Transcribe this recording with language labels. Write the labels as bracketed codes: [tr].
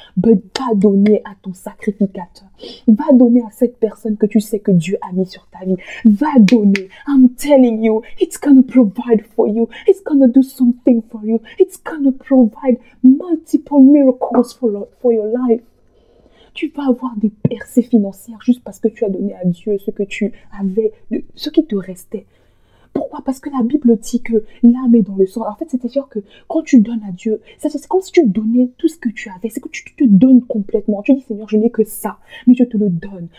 [fr] But va donner à ton sacrificateur. Va donner à cette personne que tu sais que Dieu a mis sur ta vie. Va donner. [en] I'm telling you, it's gonna provide for you. It's gonna do something for you. It's gonna provide multiple miracles for your life. [fr] Tu vas avoir des percées financières juste parce que tu as donné à Dieu ce que tu avais, ce qui te restait. Pourquoi? Parce que la Bible dit que l'âme est dans le sang. En fait, c'est-à-dire que quand tu donnes à Dieu, c'est comme si tu donnais tout ce que tu avais. C'est que tu te donnes complètement. Tu dis, Seigneur, je n'ai que ça, mais je te le donne.